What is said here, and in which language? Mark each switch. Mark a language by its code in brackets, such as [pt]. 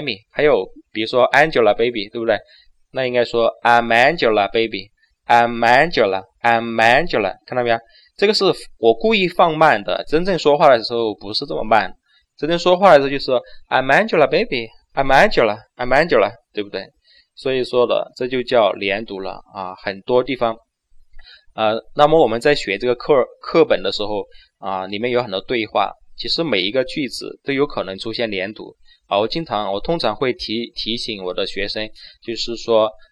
[zh] 还有比如说 Angela Baby， 对不对？那应该说 [en] I'm Angela Baby I'm Angela [zh] I'm Angela， 看到没有？这个是我故意放慢的，真正说话的时候不是这么慢，真正说话的时候就是 [en] I'm Angela Baby I'm Angela [zh] I'm Angela， 对不对？所以说的这就叫连读了很多地方那么我们在学这个课本的时候里面有很多对话，其实每一个句子都有可能出现连读我通常会提醒我的学生，就是说